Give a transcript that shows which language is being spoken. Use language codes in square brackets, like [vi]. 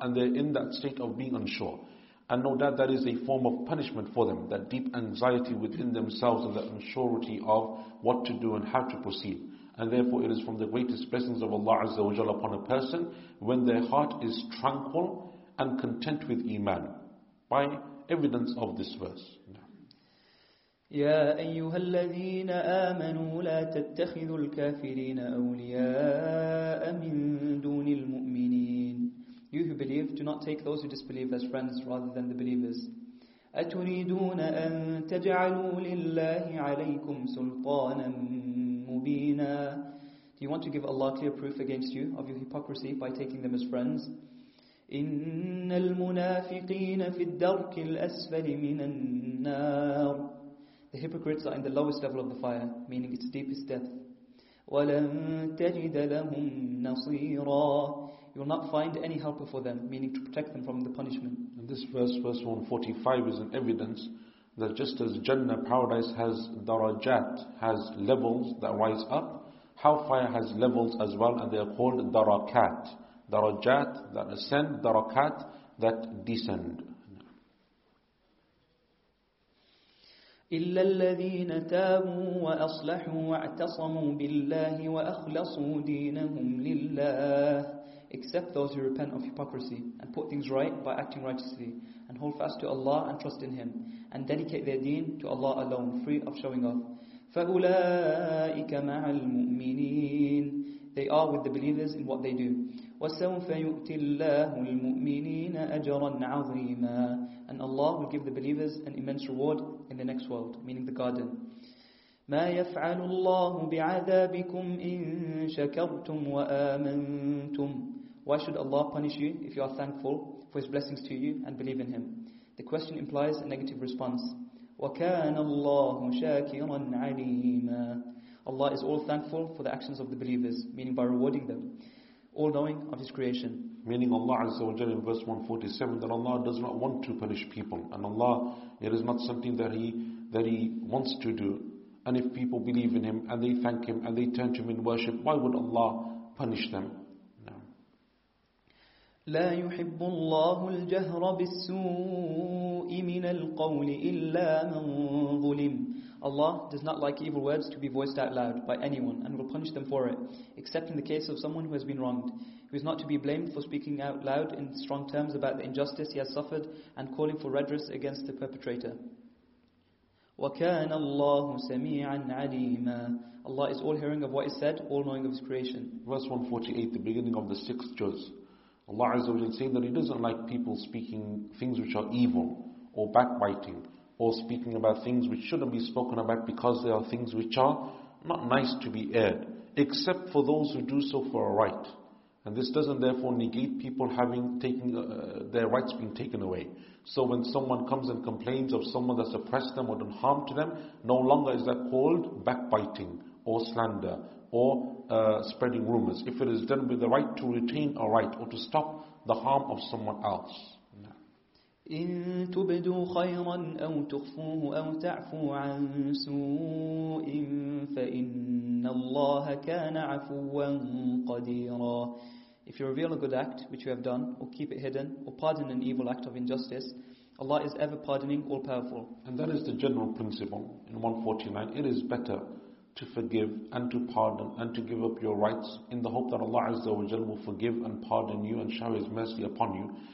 [en] And they're in that state of being unsure. And no doubt that is a form of punishment for them, that deep anxiety within themselves and that unsurety of what to do and how to proceed. And therefore, it is from the greatest blessings of Allah Azza wa Jalla upon a person when their heart is tranquil and content with iman, by evidence of this verse. [ar] يا أيها الذين آمنوا لا تتخذوا الكافرين أولياء من دون المؤمنين. [en] You who believe, do not take those who disbelieve as friends rather than the believers. [ar] أتريدون أن تجعلوا لله عليكم سلطانا مبينا. [en] Do you want to give Allah clear proof against you of your hypocrisy by taking them as friends? [ar] إن المنافقين في الدرك الأسفل من النار. [en] The hypocrites are in the lowest level of the fire, meaning its deepest depth. [ar] وَلَن تَجِدَ لَهُمْ نَصِيرًا. [en] You will not find any helper for them, meaning to protect them from the punishment. And this verse 145, is an evidence that just as Jannah, paradise, has darajat, has levels that rise up, hellfire has levels as well, and they are called darakat. Darajat that ascend, darakat that descend. [ar] إلا الذين تابوا وأصلحوا واعتصموا بالله وأخلصوا دينهم لله. [en] Except those who repent of hypocrisy and put things right by acting righteously, and hold fast to Allah and trust in Him, and dedicate their deen to Allah alone, free of showing off. [ar] فأولئك مع المؤمنين. [en] They are with the believers in what they do. [ar] وسوف يؤتي الله المؤمنين أجرا عظيما. [en] And Allah will give the believers an immense reward in the next world, meaning the garden. [ar] ما يفعل الله بعذابكم إن شكرتم وآمنتم. [en] Why should Allah punish you if you are thankful for His blessings to you and believe in Him? The question implies a negative response. [ar] وكان الله شاكرا عليما. [en] Allah is all thankful for the actions of the believers, meaning by rewarding them. All-knowing of His creation. Meaning Allah Azza wa Jalla in verse 147, that Allah does not want to punish people. And Allah, it is not something that He wants to do. And if people believe in Him, and they thank Him, and they turn to Him in worship, why would Allah punish them? No. [ar] لا يحب الله الجهر بالسوء من القول إلا من ظلم. [en] Allah does not like evil words to be voiced out loud by anyone, and will punish them for it, except in the case of someone who has been wronged, who is not to be blamed for speaking out loud in strong terms about the injustice he has suffered and calling for redress against the perpetrator. [ar] وَكَانَ اللَّهُ سَمِيعًا عَلِيمًا. [en] Allah is all-hearing of what is said, all-knowing of His creation. Verse 148, the beginning of the sixth juz. Allah Azza wa Jalla saying that He doesn't like people speaking things which are evil, or backbiting, or speaking about things which shouldn't be spoken about because they are things which are not nice to be aired, except for those who do so for a right. And this doesn't therefore negate people having their rights being taken away. So when someone comes and complains of someone that's oppressed them or done harm to them, no longer is that called backbiting or slander or spreading rumors. If it is done with the right to retain a right or to stop the harm of someone else. [ar] إن تبدوا خيرا أو تخفوه أو تعفو عن سوء فإن الله كان عفوا قديرا. [en] If you reveal a good act which you have done, or keep it hidden, or pardon an evil act of injustice, Allah is ever pardoning, all powerful. And that is the general principle in 149. It is better to forgive and to pardon and to give up your rights in the hope that Allah Azza wa Jalla will forgive and pardon you and shower His mercy upon you.